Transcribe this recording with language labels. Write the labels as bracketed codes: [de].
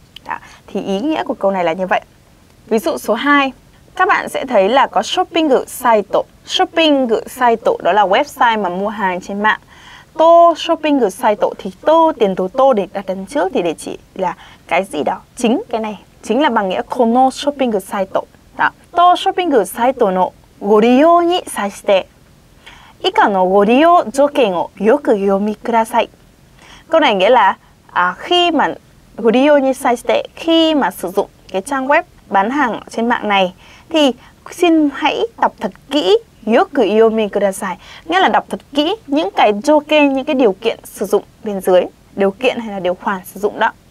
[vi] Đó, thì ý nghĩa của câu này là như vậy. Ví dụ số 2, các bạn sẽ thấy là có shopping site. Shopping site đó là website mà mua hàng trên mạng. Tô shopping site thì tô, tiền từ tô để đặt đằng trước thì để chỉ là cái gì đó, chính cái này. Chính là bằng nghĩa kono shopping site. Đó, [ja] tô shopping site no goryo ni saishite. 以下のご利用条件をよく読みください。これが、あ、 [vi] khi mà ご利用に際して、khi mà sử dụng cái trang web bán hàng trên mạng này, thì xin hãy đọc thật kỹ [ja] よく読みください。 [vi] nghĩa là đọc thật kỹ những cái条件, những cái điều kiện sử dụng bên dưới, điều kiện hay là điều khoản sử dụng đó.